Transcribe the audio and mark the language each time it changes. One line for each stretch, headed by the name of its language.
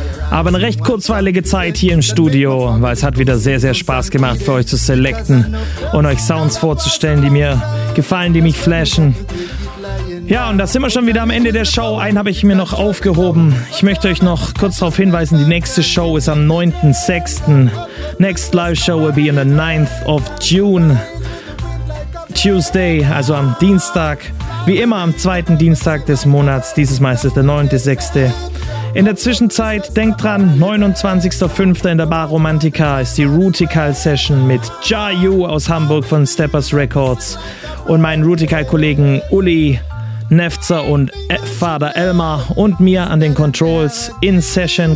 German: Aber eine recht kurzweilige Zeit hier im Studio, weil es hat wieder sehr, sehr Spaß gemacht, für euch zu selecten und euch Sounds vorzustellen, die mir gefallen, die mich flashen. Ja, und da sind wir schon wieder am Ende der Show. Einen habe ich mir noch aufgehoben. Ich möchte euch noch kurz darauf hinweisen, die nächste Show ist am 9.6.
English: Next live show will be on the 9th of June. Tuesday,
German: also am Dienstag. Wie immer am zweiten Dienstag des Monats, dieses Mal ist es der 9.6. In der Zwischenzeit, denkt dran, 29.5. in der Bar Romantica ist die Rootikal Session mit Ja Yu aus Hamburg von Steppers Records und meinen Rootikal Kollegen Uli Nefzer und Vater Elmar und mir an den Controls in Session.